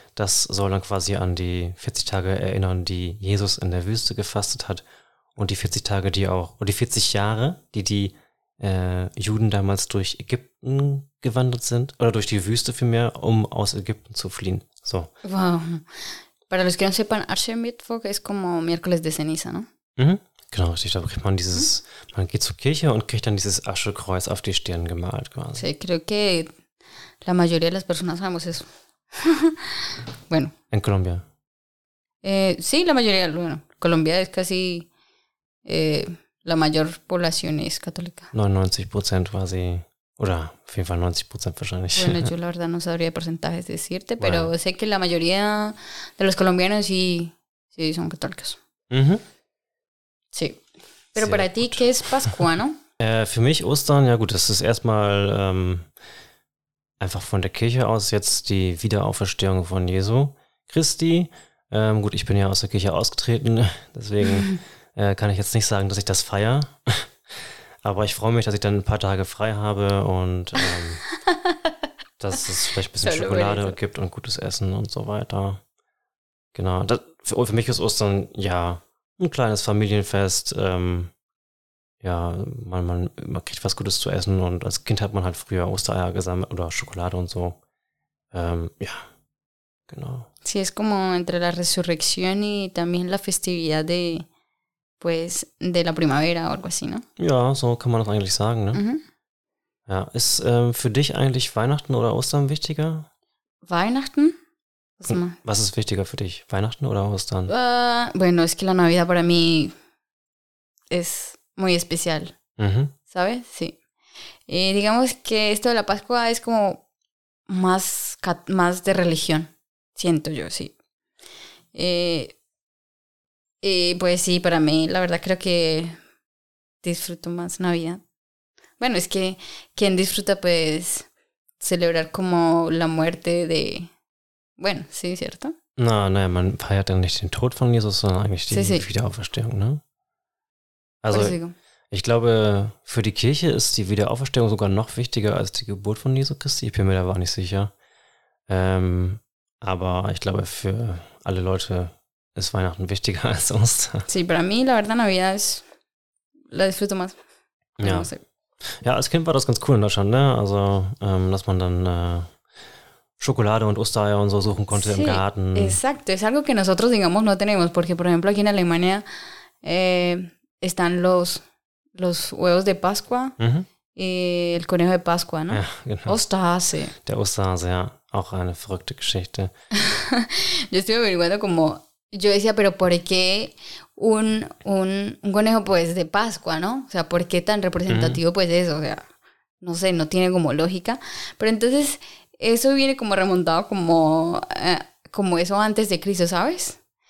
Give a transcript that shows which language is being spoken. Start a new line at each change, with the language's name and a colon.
German: Das soll dann quasi an die 40 Tage erinnern, die Jesus in der Wüste gefastet hat und die 40 Tage, die auch, und die 40 Jahre, die Juden damals durch Ägypten gewandert sind, oder durch die Wüste vielmehr, um aus Ägypten zu fliehen. So. Wow.
Spanish: Para los que no sepan, Aschermittwoch es como miércoles de ceniza, ¿no? Mhm.
German: Genau, richtig. Da kriegt man dieses, man geht zur Kirche und kriegt dann dieses Aschekreuz auf die Stirn gemalt quasi.
Spanish: Sí, creo que la mayoría de las personas sabemos eso. Bueno. En Colombia. Sí, la mayoría, bueno, Colombia es casi la mayor población es católica.
German: 99% quasi, oder auf jeden Fall 90% wahrscheinlich.
Spanish: Bueno, yo la verdad no sabría porcentajes decirte, pero sé que la mayoría de los colombianos sí son católicos. Mhm. Sí. Pero sehr para gut. Ti, ¿qué es Pascua, no?
German: Für mich Ostern, ja gut, das ist erstmal einfach von der Kirche aus jetzt die Wiederauferstehung von Jesu Christi. Gut, ich bin ja aus der Kirche ausgetreten, deswegen kann ich jetzt nicht sagen, dass ich das feiere. Aber ich freue mich, dass ich dann ein paar Tage frei habe und dass es vielleicht ein bisschen Schokolade gibt und gutes Essen und so weiter. Genau. Das, für mich ist Ostern ja ein kleines Familienfest. Ja, man kriegt was Gutes zu essen und als Kind hat man halt früher Ostereier gesammelt oder Schokolade und so. Ja, genau.
Spanish: Sí, es como entre la resurrección y también la festividad de, pues, de la primavera o algo así, ¿no?
German: Ja, so kann man das eigentlich sagen, ne? Mhm. Ja, ist für dich eigentlich Weihnachten oder Ostern wichtiger? Weihnachten? Was ist wichtiger für dich, Weihnachten oder Ostern?
Spanish: Bueno, es que la Navidad para mí es muy especial, ¿sabes? Sí. Digamos que esto de la Pascua es como más de religión, siento yo, sí. Pues sí, para mí, la verdad creo que disfruto más Navidad. Bueno, es que quien disfruta, pues, celebrar como la muerte de... Bueno, sí, ¿cierto?
German: Naja, man feiert ja nicht den Tod von Jesus, sondern eigentlich die Wiederauferstehung, ne? Also, ich glaube, für die Kirche ist die Wiederauferstehung sogar noch wichtiger als die Geburt von Jesu Christi. Ich bin mir da gar nicht sicher. Aber ich glaube, für alle Leute ist Weihnachten wichtiger als Ostern.
Spanish: Sí, para mí, la verdad, Navidad es... La disfruto más.
German: Ja. Ja, als Kind war das ganz cool in Deutschland, ne? Also, dass man dann... Schokolade und Ostereier und so suchen konnte sí, im Garten.
Spanish: Exacto, es algo que nosotros digamos no tenemos, porque por ejemplo aquí en Alemania están los huevos de Pascua y el conejo de Pascua, ¿no?
German: Ja, genau. Osterhase. Der Osterhase, ja, auch eine verrückte Geschichte.
Spanish: Yo estoy averiguando como yo decía, pero ¿por qué un conejo pues de Pascua, ¿no? O sea, ¿por qué tan representativo pues eso? O sea, no sé, no tiene como lógica, pero entonces eso viene como remontado como eso antes de Cristo, ¿sabes?